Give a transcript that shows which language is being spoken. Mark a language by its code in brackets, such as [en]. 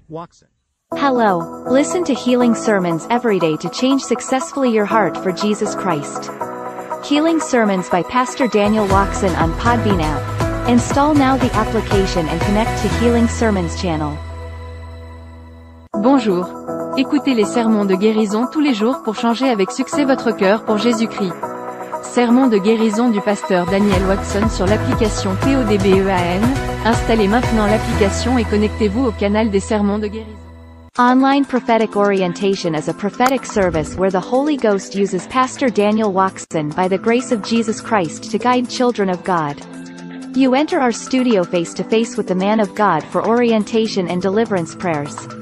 [en] Ouakson. Hello. Listen to Healing Sermons every day to change successfully your heart for Jesus Christ. Healing Sermons by Pastor Daniel Ouakson on Podbean app. Install now the application and connect to Healing Sermons channel. [fr] Bonjour. Écoutez les sermons de guérison tous les jours pour changer avec succès votre cœur pour Jésus-Christ. Sermon de guérison du pasteur Daniel Ouakson sur l'application PODBEAN. Installez maintenant l'application et connectez-vous au canal des sermons de guérison. [en] Online prophetic orientation is a prophetic service where the Holy Ghost uses Pastor Daniel Ouakson by the grace of Jesus Christ to guide children of God. You enter our studio face to face with the man of God for orientation and deliverance prayers.